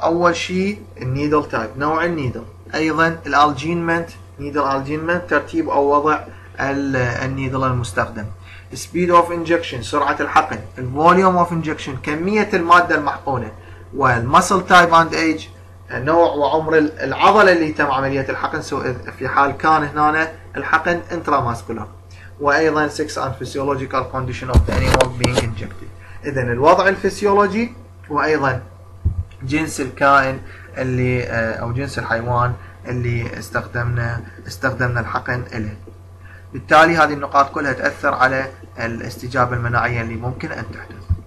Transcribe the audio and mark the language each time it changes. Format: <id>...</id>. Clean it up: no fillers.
<ar>أول شيء النيدل تايب، نوع النيدل. أيضا الالجينمنت، نيدل الجينمنت، ترتيب أو وضع النيدل المستخدم.</ar> <en>Speed of injection،</en> <ar>سرعة الحقن.</ar> <en>Volume of injection،</en> <ar>كمية المادة المحقونة. وال</ar> <en>muscle type and age،</en> <ar>نوع وعمر العضلة اللي تم عملية الحقن في حال كان هنا الحقن intramuscular. وأيضا</ar> <en>sex and physiological condition of the animal being injected.</en> <ar>إذن الوضع الفسيولوجي وأيضا جنس الكائن اللي أو جنس الحيوان اللي استخدمنا الحقن إليه. بالتالي هذه النقاط كلها تأثر على الاستجابة المناعية اللي ممكن أن تحدث.</ar>